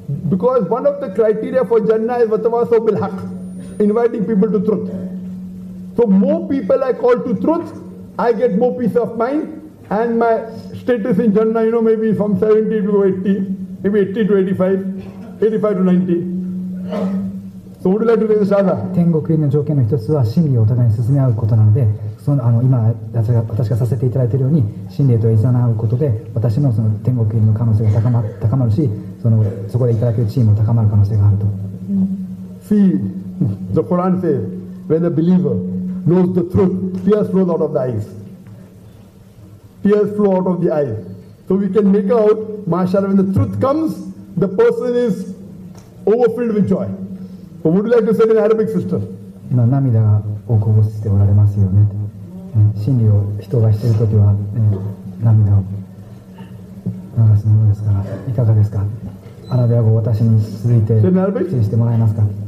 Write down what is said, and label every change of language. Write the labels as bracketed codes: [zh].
[en] Because one of the criteria for Jannah is [ar] watawasaw bil haq, [en] inviting people to truth. So more people I call to truth, I get more peace of mind. And my status in Jannah, you know, maybe from 70 to 80, maybe 80 to 85, 85 to 90. So would you like to take the shahada? [ja] 天国国の条件の一つは真理をお互いに進め合うことなので、 その今私がさせていただいているように真理といざなうことで私のその天国入りの可能性が高まるしそのそこでいただけるチームも高まる可能性があると。 [en] See, the Quran says, when a believer knows the truth, tears flow out of the eyes. Tears flow out of the eyes. So we can make out, mashallah, when the truth comes, the person is overfilled with joy. So would you like to say in Arabic, sister? [ja] 今涙をこぼしておられますよね。真理を人がしているときは涙を流すものですから、いかがですか？アラビア語を私に続いて指示してもらえますか？